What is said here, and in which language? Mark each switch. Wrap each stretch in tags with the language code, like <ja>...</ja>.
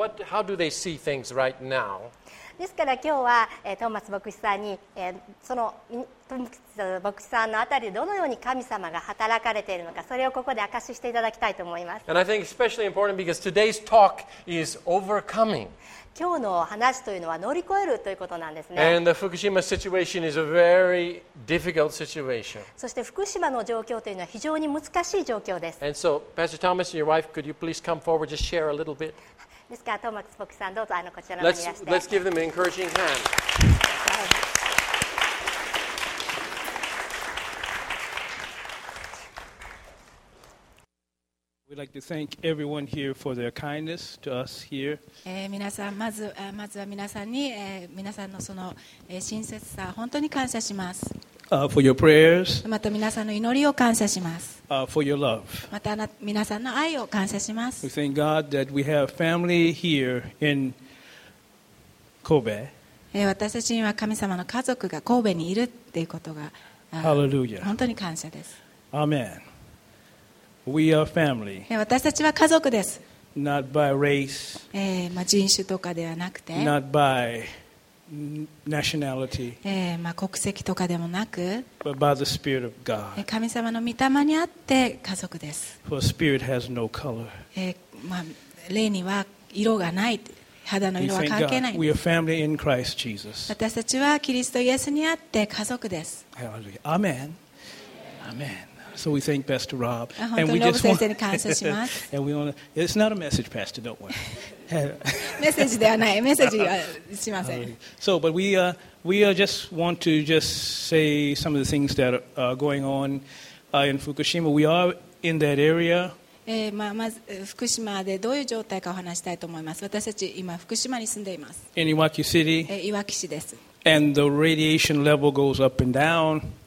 <en>How do they see things right now?</en> <ja>ですから今日はトーマス牧師さんにトーマス牧師さんのあたりでどのように神様が働かれているのか、それをここで証していただきたいと思います。</ja> <en>And I think especially important because today's talk is overcoming.</en> <ja>今日の話というのは乗り越えるということなんですね。</ja> <en>And the Fukushima situation is a very difficult situation.</en> <ja>そして福島の状況というのは非常に難しい状況です。</ja> <en>And so, Pastor Thomas and your wife, could you please come forward, just share a little bit?</en> <ja>ですから、トーマス牧師さん、どうぞこちらの方にいらして。</ja> <en>Let's give them an encouraging hand. We'd like to thank everyone here for their kindness to us here.</en> <ja>皆さん、まずは皆さんに、皆さんのその、親切さ、本当に感謝します。</ja> <en>For your prayers.</en> <ja>また皆さんの祈りを感謝します。</ja> <en>For your love.</en> <ja>また皆さんの愛を感謝します。</ja> <en>We thank God that we have family here in Kobe.</en> <ja>私たちには神様の家族が神戸にいるっていうことが、</ja> <en>Hallelujah.</en> <ja>本当に感謝です。</ja> <en>Amen. We are family.</en> <ja>私たちは家族です。</ja> <en>Not by race.</en> <ja>人種とかではなくて。</ja> <en>Not by nationality.</en> <ja>国籍とかでもなく。</ja> <en>But by the Spirit of God.</en> <ja>神様の御霊にあって家族です。</ja> <en>For spirit has no color.</en> <ja>霊には色がない。肌の色は関係ない。</ja> <en>We are family in Christ Jesus.</en> <ja>私たちはキリストイエスにあって家族です。</ja> <en>Hallelujah. Amen. Amen. So we thank Pastor Rob.</en> <ja>本当にノブ先生に感謝します。</ja> <en>And we want to, it's not a message, Pastor, don't worry.</en> <ja>メッセージではない。メッセージはしません。</ja> <en>So, but we just want to just say some of the things that are going on in Fukushima. We are in that area.</en> <ja>まず福島でどういう状態かお話したいと思います。私たち今福島に住んでいます。</ja> <en>In Iwaki City.</en> <ja>Iwaki 市です。</ja> <en>And the radiation level goes up and down.</en>